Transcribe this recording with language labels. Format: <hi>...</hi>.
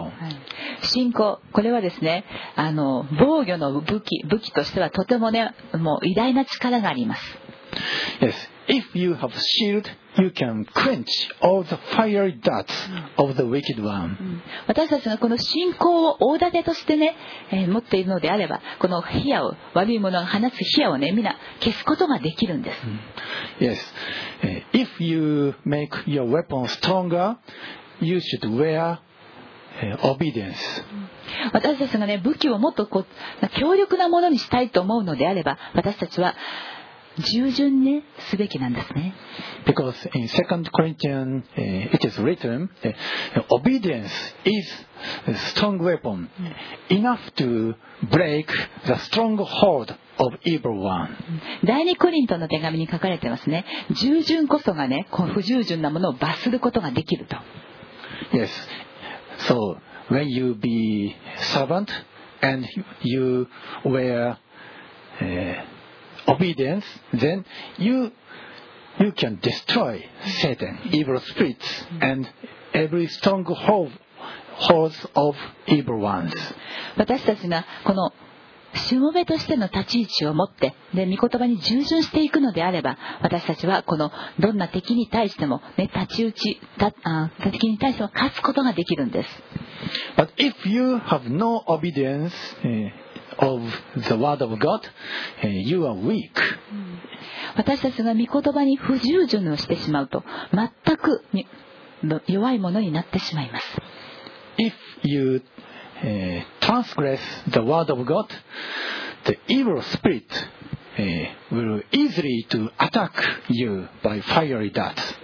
<ja>はい、信仰、これはですね、防御の武器としてはとてもね、もう偉大な力があります。</ja> <en>Yes, if you have shield, you can quench all the fiery darts of the wicked one.</en> <ja>私たちがこの信仰を大盾としてね、持っているのであれば、この火矢を、悪いものが放つ火矢をね、皆消すことができるんです。</ja> <en>Yes, if you make your weapon stronger, you should wear obedience.</en> <ja>私たちがね、武器をもっとこう強力なものにしたいと思うのであれば、私たちは従順ねすべきなんですね。</ja> <en>Because in 2 Corinthians it is written, obedience is a strong weapon, enough to break the stronghold of evil one.</en> <ja>第2コリントの手紙に書かれてますね。従順こそがね、こう不従順なものを罰することができると。</ja> <en>Yes. So when you be servant and you wear obedience, then you can destroy Satan, evil spirits, and every stronghold of evil ones.</en> <ja>私たちがこのしもべとしての立ち位置を持って、で、御言葉に従順していくのであれば、私たちはこのどんな敵に対しても、ね、立ち打ち、敵に対しても勝つことができるんです。</ja> <en>But if you have no obedience, of the word of God, you are weak.</en> <ja>私たちが御言葉に不従順をしてしまうと、全く弱いものになってしまいます。</ja> <en>If youTransgress the word of God, the evil spirit will easily to attack you by fiery dart.</en>